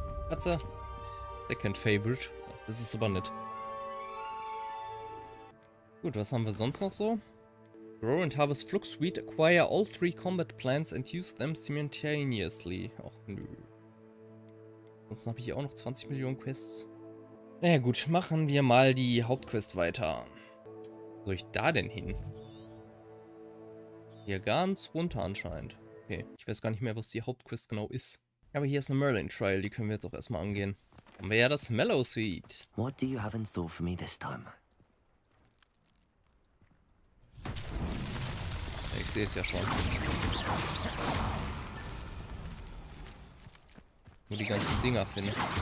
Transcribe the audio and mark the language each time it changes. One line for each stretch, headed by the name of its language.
German: Katze.
English: Second favorite.
German: Das ist aber nett. Gut, was haben wir sonst noch so?
English: Grow and harvest Fluxweed, acquire all three combat plants and use them simultaneously.
German: Och nö. Ansonsten habe ich hier auch noch 20 Millionen Quests. Naja gut, machen wir mal die Hauptquest weiter. Wo soll ich da denn hin? Hier ganz runter anscheinend. Okay, ich weiß gar nicht mehr, was die Hauptquest genau ist. Aber hier ist eine Merlin Trial, die können wir jetzt auch erstmal angehen. Haben wir ja das Mallowsweet.
English: What do you have in store for me this time?
German: Ich sehe es ja schon. Nur die ganzen Dinger finden.